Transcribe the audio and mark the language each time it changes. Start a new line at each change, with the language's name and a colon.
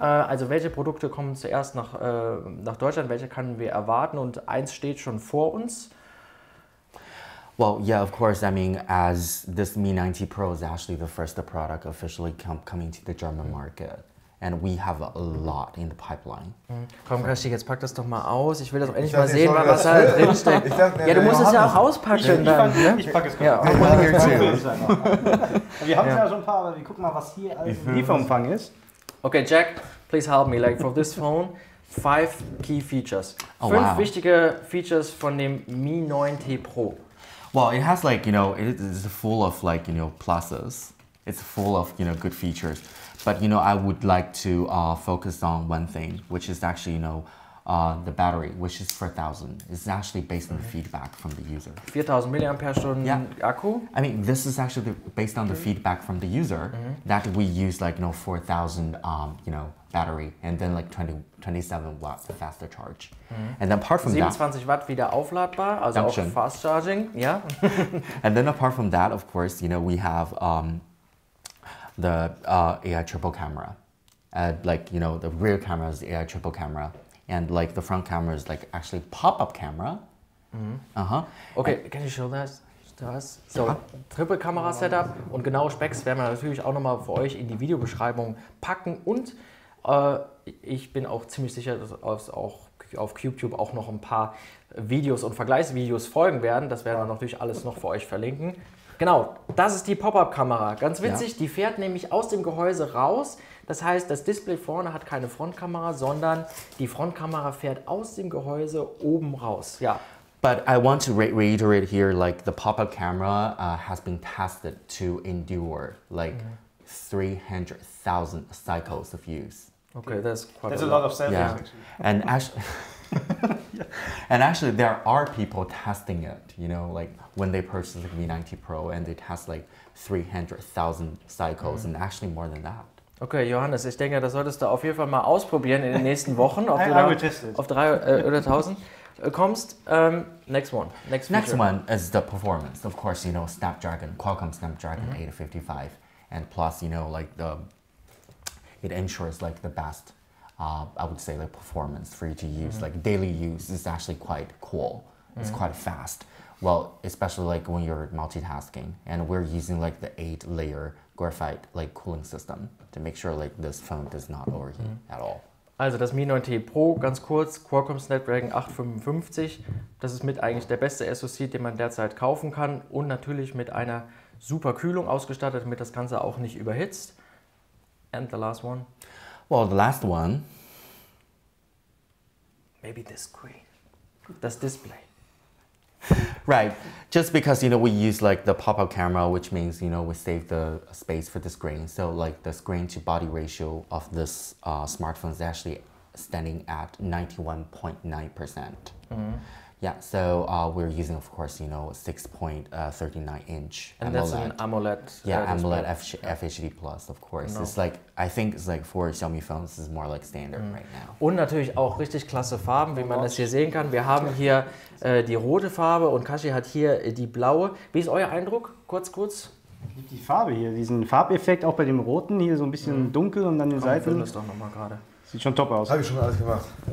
German: Also welche Produkte kommen zuerst nach Deutschland? Welche können wir erwarten? Und eins steht schon vor uns.
English: Well, yeah, of course. I mean, as this Mi 90 Pro is actually the first product officially coming to the German market, and we have a lot in the pipeline.
German: Komm, Kashi, jetzt pack das doch mal aus. Ich will das auch endlich mal sehen, was da drin steckt. Ja, du musst es ja auch auspacken. Ich packe es kurz. Wir haben ja schon ein paar, aber wir gucken mal, was hier Lieferumfang ist.
English: Okay, Jack, please help me. Like for this phone, 5 key features. Oh, wow.
German: 5 wichtige Features von dem Mi 90 Pro.
English: Well, it has like, you know, it's full of like, you know, pluses. It's full of, you know, good features. But, you know, I would like to focus on one thing, which is actually, you know, the battery, which is 4,000. It's actually based on the feedback from the user.
German: 4,000 milliampere Stunden Akku?
English: I mean, this is actually based on the feedback from the user that we use like, you know, 4,000, you know, battery and then like 27 watt faster charge. And then apart from
German: 27 watt wieder aufladbar, also auch fast charging, yeah.
English: And then apart from that, of course, you know, we have the AI triple camera. Like, you know, the rear camera is the AI triple camera. And like the front camera is like actually pop-up camera. Okay, can you show that to us?
German: So, triple camera setup und genaue Specs werden wir natürlich auch nochmal für euch in die Videobeschreibung packen und ich bin auch ziemlich sicher, dass auch auf YouTube auch noch ein paar Videos und Vergleichsvideos folgen werden. Das werden wir natürlich alles noch für euch verlinken. Genau, das ist die Pop-Up-Kamera. Ganz witzig, die fährt nämlich aus dem Gehäuse raus. Das heißt, das Display vorne hat keine Frontkamera, sondern die Frontkamera fährt aus dem Gehäuse oben raus. Ja.
English: But I want to reiterate here, like the pop-up camera has been tested to endure like 300,000 cycles of use. Okay, that's quite a lot of selfies. Yeah. And actually there are people testing it, you know, like when they purchase the Mi 90 Pro and they test like 300,000 cycles and actually more than that.
German: Okay, Johannes, ich denke, das solltest du auf jeden Fall mal ausprobieren in den nächsten Wochen, ob du auf 300,000 kommst.
English: Next one is the performance. Of course, you know, Qualcomm Snapdragon 855. And plus, you know, like the, it ensures like the best, I would say like performance for you to use. Mm-hmm. Like daily use is actually quite cool. Mm-hmm. It's quite fast. Well, especially like when you're multitasking and we're using like the 8-layer graphite like cooling system to make sure like this phone does not overheat at all.
German: Also das Mi 90 Pro, ganz kurz, Qualcomm Snapdragon 855. Das ist mit eigentlich der beste SoC, den man derzeit kaufen kann und natürlich mit einer super Kühlung ausgestattet, damit das Ganze auch nicht überhitzt.
English: And the last one? Well, the last one. Maybe the screen.
German: Das Display.
English: Right. Just because, you know, we use like the pop-up camera, which means, you know, we save the space for the screen. So like the screen to body ratio of this smartphone is actually standing at 91.9%. Yeah, so we're using, of course, you know, 6.39-inch AMOLED. And that's an AMOLED. Yeah, AMOLED FHD+, of course. No. It's like, I think it's like for Xiaomi phones, it's more like standard right now.
German: Und natürlich auch richtig klasse Farben, wie man das hier sehen kann. Wir haben hier die rote Farbe und Kashi hat hier die blaue. Wie ist euer Eindruck? Kurz. Die Farbe hier, diesen Farbeffekt auch bei dem roten, hier so ein bisschen dunkel und dann die Seiten. Komm, wir finden das doch nochmal gerade. Sieht schon top aus. Habe ich schon alles gemacht.